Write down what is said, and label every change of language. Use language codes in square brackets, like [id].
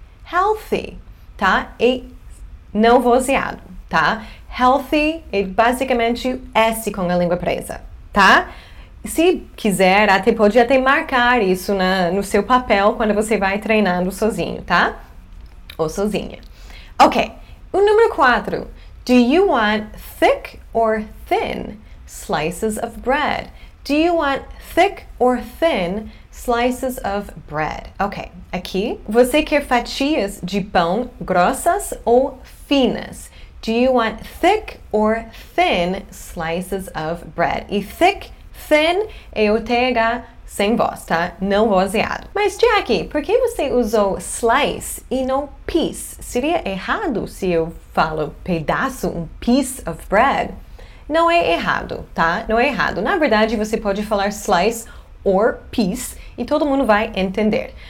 [pt] Healthy, tá? E não vozeado, tá? Healthy é basicamente S com a língua presa, tá? Se quiser, até pode até marcar isso no seu papel quando você vai treinando sozinho, tá? Ou sozinha. Ok, o número 4. [en] Do you want thick or thin slices of bread? Do you want thick or thin slices of bread? [pt] Ok, aqui. Você quer fatias de pão grossas ou finas? [en] Do you want thick or thin slices of bread? [pt] E thick, thin, é o TH sem voz, tá? Não vozeado. Mas, Jackie, por que você usou slice e não piece? Seria errado se eu falo pedaço, piece of bread? Não é errado, tá? Não é errado. Na verdade, você pode falar slice or piece e todo mundo vai entender.